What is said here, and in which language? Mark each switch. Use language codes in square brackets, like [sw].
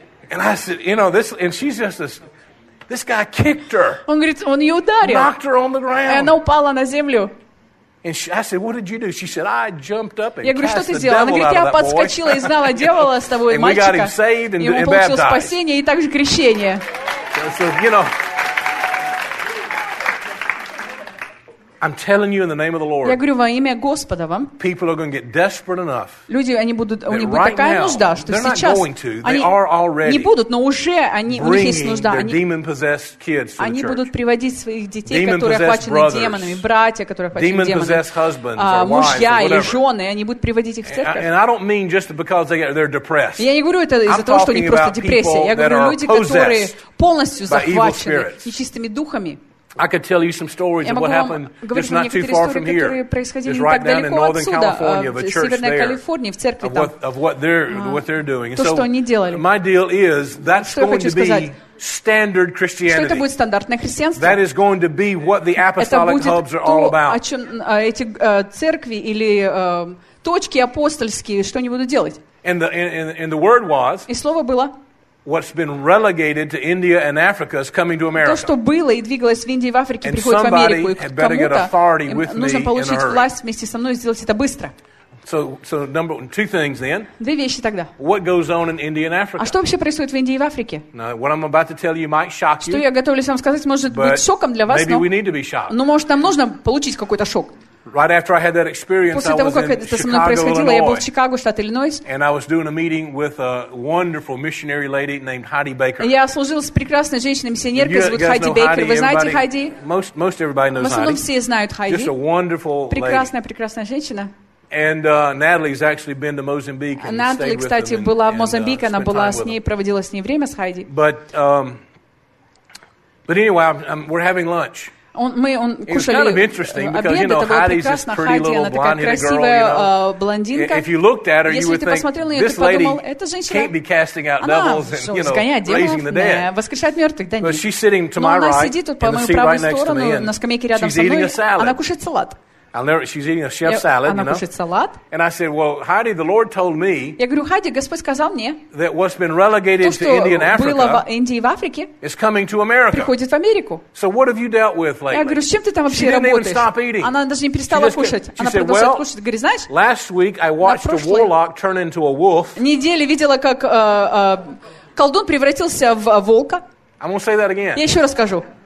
[en] And I said, you know, this, and she's just this guy kicked her. [ru] Он говорит, он ее ударил. [en] Knocked her on the ground. [ru] И она упала на землю. [en] And she, I said, what did you do? She said, I jumped up and cast the devil out of that boy. [ru] Я говорю, что ты сделал? Она говорит, я подскочила и знала дьявола с тобой, мальчика. [en] And we got him saved and baptized. [ru] И он получил спасение и также крещение. [en] So, you know, I'm telling you in the name of the Lord. [ru] Я говорю во имя Господа вам. [en] People are going to get desperate enough. [ru] Люди, они будут, у них будет такая нужда, что сейчас они не будут, но уже они у них есть нужда. Они будут приводить своих детей, которые охвачены демонами, братья, которые охвачены демонами, мужья или жены, они будут приводить их в церковь. [en] And I don't mean just because they're depressed. [ru] Я не говорю это из-за того, что у них просто депрессия. Я говорю люди, которые полностью захвачены нечистыми духами. [en] I could tell you some stories of what happened just not too far from here. Just right down in Northern California, the church there. Of what they're doing. So my deal is that's going to be standard Christianity. [ru] Что это будет стандартное христианство? [en] That is going to be what the apostolic hubs are all about. [ru] Это будет то, о чем эти церкви или точки апостольские, что они будут делать? [en] And the word was. [ru] И слово было. [en] What's been relegated to India and Africa is coming to America. [ru] То, что было и двигалось в Индии и в Африке, приходит в Америку. И кому-то нужно получить власть вместе со мной и сделать это быстро. [en] So number two things then. [ru] Две вещи тогда. [en] What goes on in India and Africa? [ru] А что вообще происходит в Индии и в Африке? [en] Now, what I'm about to tell you might shock you. [ru] Что я готовлюсь вам сказать, может быть шоком для вас, [en] maybe we need to be shocked. [ru] Но может нам нужно получить какой-то шок. [en] Right after I had that experience, [ru] после того, как это со мной происходило, я был в Чикаго, штат Иллинойс. [en] And I was doing a meeting with a wonderful missionary lady named Heidi Baker. [ru] Я служил с прекрасной женщиной-миссионеркой, зовут Хайди Бейкер. Вы знаете Хайди? [en] Most everybody knows Heidi. [ru] В основном все знают Хайди. [en] Just a wonderful lady. [ru] Прекрасная женщина. [en] And Natalie's actually been to Mozambique and stayed with them. [ru] Natalie, кстати, была в Мозамбике, она была с ней, проводила с ней время с Хайди. [en] But anyway, we're having lunch. [ru] Он кушали. [en] It was kind of interesting because you know Heidi's this pretty little blonde-headed girl. [ru] Блондинка. [en] If you looked at her, you would think this lady [ru] подумал, [en] can't be casting out devils and you know [ru] демонов, [en] raising the dead. [ru] Воскрешать мертвых, да нет. [en] But she's sitting to my right, тут, in the seat right next to me, and she's eating a salad. [ru] Она кушает салат. [en] She's eating a chef salad, [ru] она кушает салат. [en] And I said, "Well, Heidi, the Lord told me." [ru] Я говорю, Хайди, Господь сказал мне. [en] That what's been relegated to India and Africa. [ru] Было в Индии и в Африке. [en] Is coming to America. [ru] Приходит в Америку. [en] So what have you dealt with lately? [ru] Я говорю, с чем ты там вообще работаешь? [en] She didn't even stop eating. [ru] Она даже не перестала кушать. Она продолжает кушать. Говорит, знаешь? [en] Last week I watched a warlock turn into a wolf. [ru] Неделю видела, как колдун превратился в волка. [en] I'm gonna say that again. [ru] Я еще раз скажу.